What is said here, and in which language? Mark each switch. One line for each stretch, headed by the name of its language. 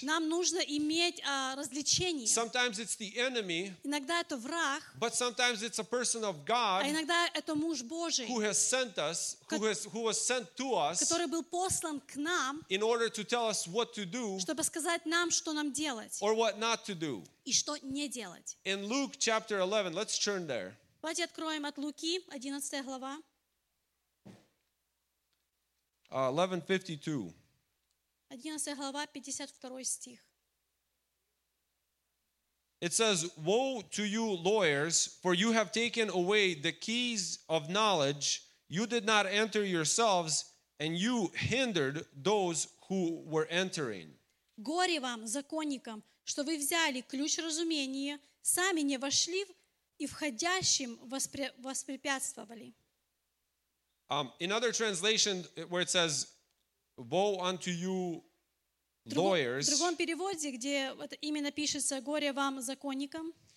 Russian: Нам нужно иметь различение.
English: Sometimes it's the enemy.
Russian: Иногда это враг.
English: But sometimes it's a person of God.
Russian: А иногда это муж Божий.
English: Who has sent us? Who was sent to us?
Russian: Который был послан к нам.
English: In order to tell us what to do.
Russian: Чтобы сказать нам, что нам делать.
English: Or what not to do.
Russian: И что не делать.
English: In Luke chapter 11, let's turn there.
Russian: Давайте откроем от Луки, 11 глава.
English: 11:52.
Russian: 11 глава, 52 стих.
English: It says, Woe to you lawyers, for you have taken away the keys of knowledge. You did not enter yourselves, and you hindered those who were entering.
Russian: Горе вам, законникам, что вы взяли ключ разумения, сами не вошли в и входящим воспрепятствовали.
English: In other translation, where it says, Woe unto you, lawyers.
Russian: В другом переводе, где именно пишется, горе вам, законникам.